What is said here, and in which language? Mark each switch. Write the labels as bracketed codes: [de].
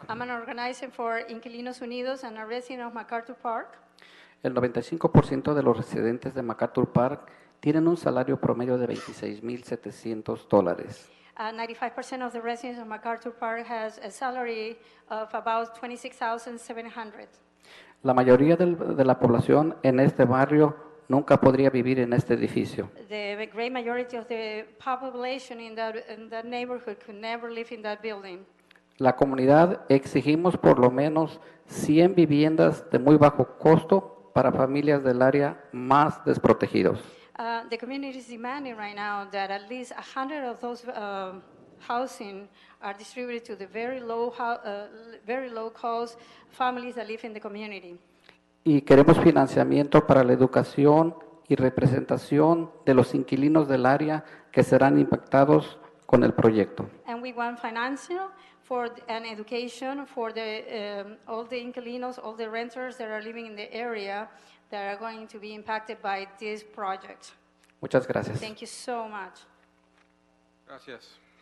[en] I'm an organizer for Inquilinos Unidos and a resident of MacArthur Park. [es] El 95% de los residentes de MacArthur Park tienen un salario promedio de $26,700. [en] 95% of the residents of MacArthur Park has a salary of about $26,700. [es] La mayoría de la población en este barrio nunca podría vivir en este edificio. [en] The great majority of the population in that neighborhood could never live in that building. [es] La comunidad exigimos por lo menos 100 viviendas de muy bajo costo para familias del área más desprotegidos. [en] The community is demanding right now that at least 100 of those housing are distributed to the very low cost families that live in the community. [es] Y queremos financiamiento para la educación y representación de los inquilinos del área que serán impactados con el proyecto. [en] And we want financial for an education for the all the inquilinos, all the renters that are living in the area that are going to be impacted by this project. [es] Muchas gracias. [en] Thank you so much. [es] Gracias.